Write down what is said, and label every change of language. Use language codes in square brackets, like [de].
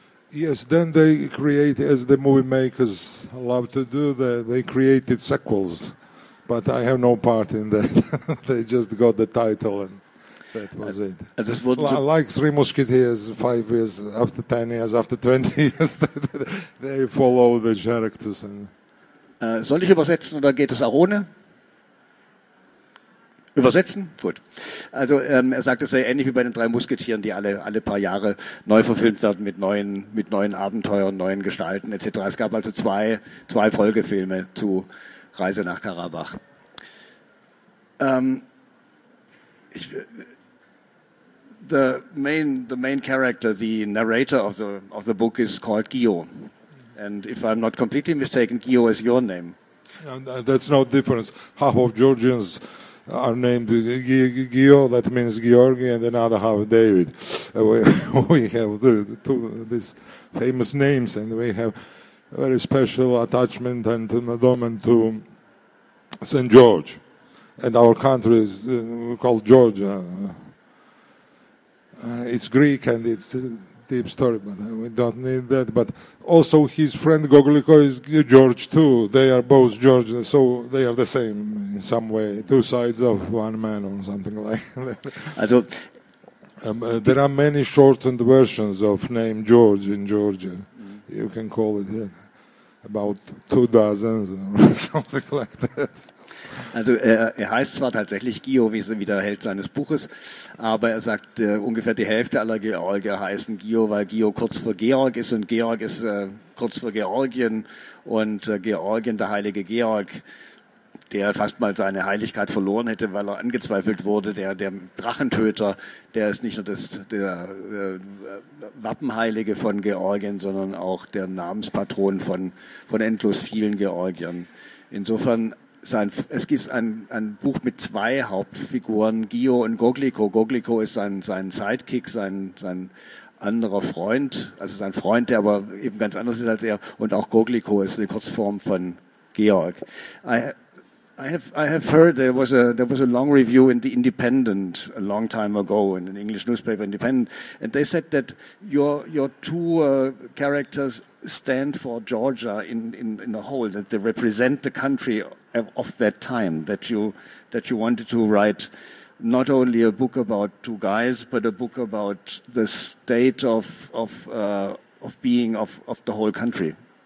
[en] Yes, then they create, as the movie makers love to do, they created sequels, but I have no part in that. They just got the title and... That was it. Like Three Musketeers, 5 years, after 10 years, after 20 years, they follow the characters. [de] Soll ich übersetzen oder geht es auch ohne? Übersetzen? Gut. Also er sagt, es sei ähnlich wie bei den drei Musketieren, die alle paar Jahre neu verfilmt werden mit neuen Abenteuern, neuen Gestalten etc. Es gab also zwei Folgefilme zu Reise nach Karabach. [en] The main character, the narrator of the book, is called Gio, and if I'm not completely mistaken, Gio is your name. Yeah, that's no difference. Half of Georgians are named Gio, that means Georgi, and another half David. We have these famous names, and we have a very special attachment and to Nadom and to St. George, and our country is called Georgia. It's Greek and it's a deep story, but we don't need that. But also his friend Gogoliko is George too. They are both George, so they are the same in some way. Two sides of one man or something like that. I don't... There are many shortened versions of name George in Georgia. Mm-hmm. You can call it about two dozens or something like that. [de] Also er heißt zwar tatsächlich Gio, wie der Held seines Buches, aber er sagt, ungefähr die Hälfte aller Georgier heißen Gio, weil Gio kurz vor Georg ist und Georg ist kurz vor Georgien und Georgien, der heilige Georg, der fast mal seine Heiligkeit verloren hätte, weil er angezweifelt wurde, der Drachentöter, der ist nicht nur der Wappenheilige von Georgien, sondern auch der Namenspatron von endlos vielen Georgiern. Insofern es gibt ein Buch mit zwei Hauptfiguren, Gio und Gogliko. Gogliko ist sein Sidekick, sein anderer Freund, also sein Freund, der aber eben ganz anders ist als er. Und auch Gogliko ist eine Kurzform von Georg. [en] I have heard there was a long review in the Independent a long time ago in an English newspaper, Independent, and they said that your two characters stand for Georgia in the whole, that they represent the country of that time, that you wanted to write not only a book about two guys but a book about the state of being of the whole country.